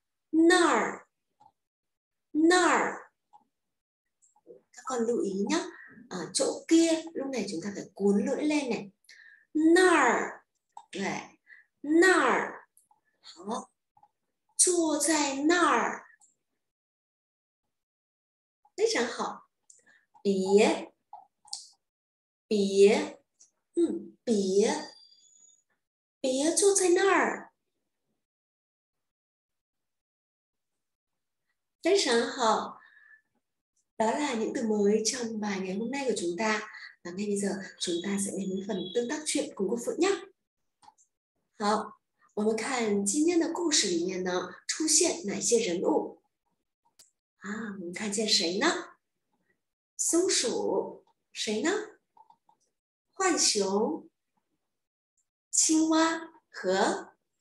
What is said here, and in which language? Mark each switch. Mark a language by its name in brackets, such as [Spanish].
[Chinese] 那儿，那儿， [Vietnamese] các con lưu ý nhé. À, chỗ kia, lúc này chúng ta phải cuốn lưỡi lên này. [Chinese] 那儿, đấy, 那儿, 好, 坐在那儿, 非常好. 别, 别, 别, 别坐在那儿。非常好， [Vietnamese] đó là những từ mới trong bài ngày hôm nay của chúng ta. Và ngay bây giờ chúng ta sẽ đến với phần tương tác chuyện cùng cô Phượng nhé. [Chinese] 好，我们看今天的故事里面呢，出现哪些人物？啊，我们看见谁呢？松鼠，谁呢？浣熊、青蛙和